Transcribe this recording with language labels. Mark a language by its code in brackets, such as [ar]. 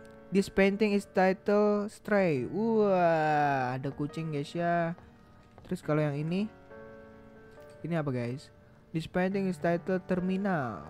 [en] This painting is titled Stray. [id] Wah, ada kucing guys ya. Terus kalau yang ini, ini apa guys? [en] This painting is titled Terminal.